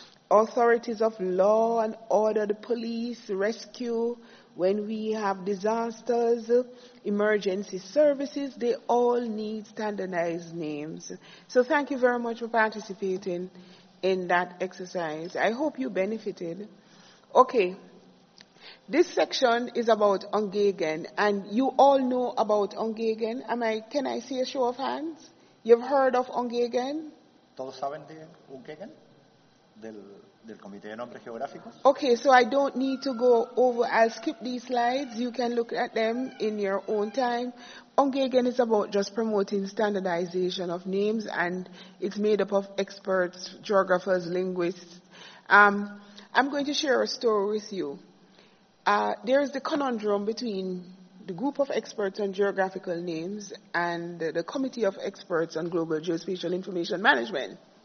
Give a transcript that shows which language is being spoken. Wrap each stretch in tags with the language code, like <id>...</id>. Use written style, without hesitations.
<en>authorities of law and order, the police, rescue, when we have disasters, emergency services, they all need standardized names. So thank you very much for participating in that exercise. I hope you benefited. Okay. This section is about Ungegen, and you all know about Ungegen. Can I see a show of hands? You've heard of Ungegen?</en> <es>Todos saben de Ungegen, del Comité de Nombres Geográficos.</es> <en>Okay, so I don't need to go over. I'll skip these slides. You can look at them in your own time. Ungegen is about just promoting standardization of names, and it's made up of experts, geographers, linguists. I'm going to share a story with you. There is the conundrum between the group of experts on geographical names and the Committee of Experts on Global Geospatial Information Management.</en>